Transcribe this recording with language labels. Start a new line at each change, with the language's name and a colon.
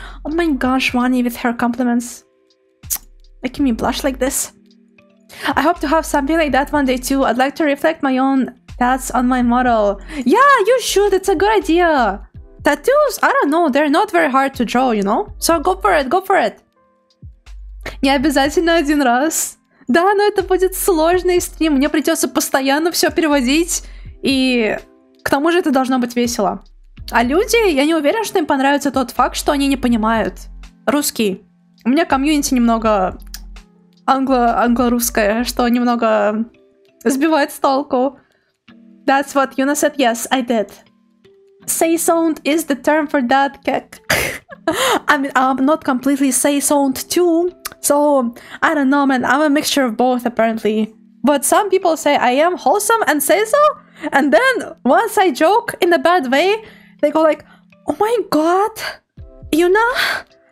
English: Oh my gosh, Wani with her compliments. Making me blush like this. I hope to have something like that one day too. I'd like to reflect my own thoughts on my model. Yeah, you should. It's a good idea. Tattoos, I don't know. They're not very hard to draw, you know? So go for it.
Russian: Не обязательно один раз. Да, но это будет сложный стрим. Мне придется постоянно все переводить. И к тому же это должно быть весело. А люди, я не уверен, что им понравится тот факт, что они не понимают русский. У меня комьюнити немного англо-русское, что немного сбивает с толку.
English: That's what Yuna said. Yes, I did. Say-sound is the term for that, kek. I mean, I'm not completely say-sound too. So, I don't know, man. I'm a mixture of both, apparently. But some people say I am wholesome and say-so. And then, once I joke in a bad way... They go like, Oh my god! Yuna?